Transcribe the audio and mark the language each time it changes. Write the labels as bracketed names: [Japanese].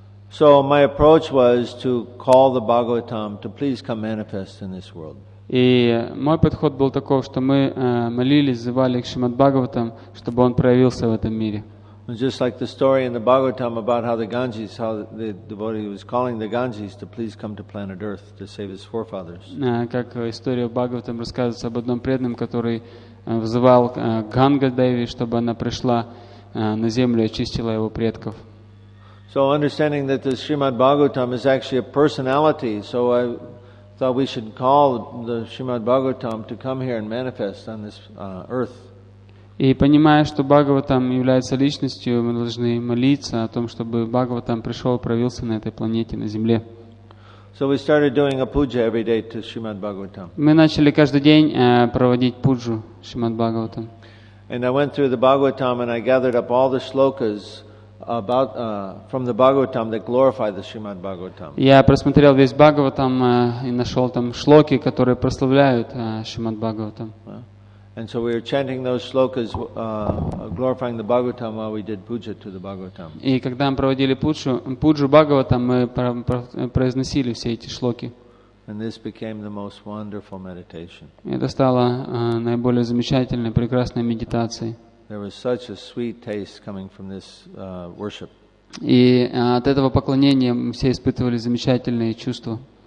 [English] So my approach was to call the Bhagavatam to please come manifest in this world. [Russian] И мой подход был таков, что мы молились, звали к Шримад Бхагаватам, чтобы он проявился в этом мире. [English] Just like the story in the Bhagavatam about how the Ganges, how the devotee was calling the Ganges to please come to planet Earth to save his forefathers. [Russian] Как история в Бхагаватам рассказывается об одном преданном, который взывал Ганга Деви, чтобы она пришла на землю и очистила его предков. [English] So understanding that the Srimad Bhagavatam is actually a personality, so I thought we should call the Srimad Bhagavatam to come here and manifest on this earth. [Russian] И понимая, что Бхагаватам является личностью, мы должны молиться о том, чтобы Бхагаватам пришел, проявился на этой планете, на Земле. [English] So we started doing a puja every day to Srimad Bhagavatam. [Russian] Мы начали каждый день проводить пуджу Шримад Бхагаватам. [English] And I went through the Bhagavatam and I gathered up all the shlokas about from the Bhagavatam that glorify the Srimad Bhagavatam. [Russian] Я просмотрел весь Бхагаватам и нашел там шлоки, которые прославляют Шримад Бхагаватам. [English] And so we were chanting those shlokas, glorifying the Bhagavatam while we did puja to the Bhagavatam. [Russian] И когда мы проводили пуджу Бхагаватам, мы произносили все эти шлоки. [English] And this became the most wonderful meditation. [Russian] Это стало наиболее замечательной, прекрасной медитацией. [English] There was such a sweet taste coming from this worship. [Russian] И от этого поклонения мы все испытывали замечательные чувства.